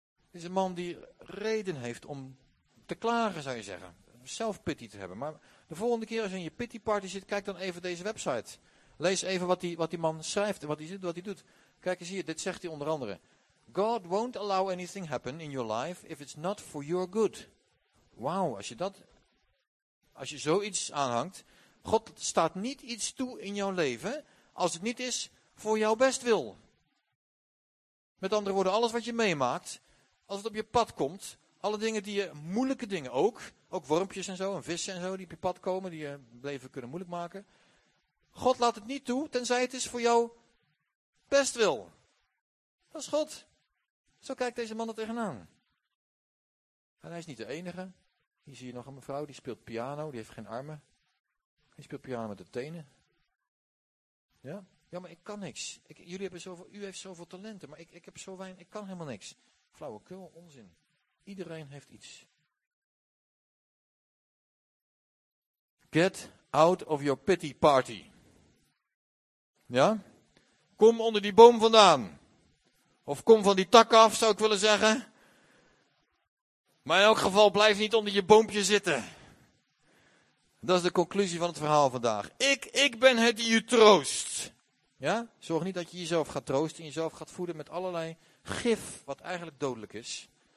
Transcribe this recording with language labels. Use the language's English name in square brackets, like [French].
[Dutch] Het is een man die reden heeft om te klagen zou je zeggen. Zelf pity te hebben. Maar de volgende keer als je in je pity party zit, kijk dan even deze website. Lees even wat die man schrijft en wat hij doet. Kijk eens hier, dit zegt hij onder andere. [English] God won't allow anything happen in your life if it's not for your good. [Dutch] Wauw, als je zoiets aanhangt. God staat niet iets toe in jouw leven als het niet is voor jouw bestwil. Met andere woorden, alles wat je meemaakt, als het op je pad komt, alle dingen die je, moeilijke dingen ook, ook wormpjes en zo, en vissen en zo, die op je pad komen, die je leven kunnen moeilijk maken. God laat het niet toe, tenzij het is voor jou best wil. Dat is God. Zo kijkt deze man er tegenaan. En hij is niet de enige. Hier zie je nog een mevrouw, die speelt piano, die heeft geen armen. Die speelt piano met de tenen. Ja, ja, maar ik kan niks. Jullie hebben zoveel, u heeft zoveel talenten, maar ik heb zo weinig, ik kan helemaal niks. Flauwekul, onzin. Iedereen heeft iets. [English] Get out of your pity party. [Dutch] Ja? Kom onder die boom vandaan. Of kom van die tak af, zou ik willen zeggen. Maar in elk geval, blijf niet onder je boompje zitten. Dat is de conclusie van het verhaal vandaag. Ik ben het die je troost. Ja? Zorg niet dat je jezelf gaat troosten en jezelf gaat voeden met allerlei gif, wat eigenlijk dodelijk is.